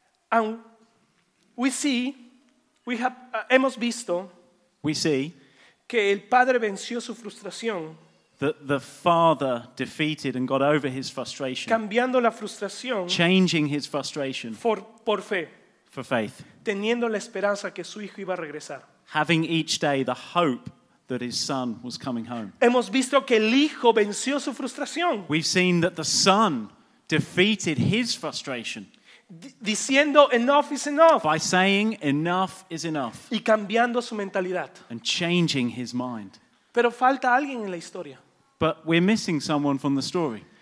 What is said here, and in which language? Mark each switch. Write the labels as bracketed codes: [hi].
[en] And we see, [es] hemos visto, [en] we see, [es] que el padre venció su frustración. [en] that the father defeated and got over his frustration. [es] Cambiando la frustración. [en] Changing his frustration. [es] Por fe. [en] For faith. [es] Teniendo la esperanza que su hijo iba a regresar. [en] Having each day the hope that his son was coming home. [es] Hemos visto que el hijo venció su frustración. [en] We've seen that the son defeated his frustration. [es] Diciendo [en] enough is enough. By saying enough is enough. [es] Y cambiando su mentalidad. [en] And changing his mind. [es] Pero falta alguien en la historia. [en] But we're missing someone from the story.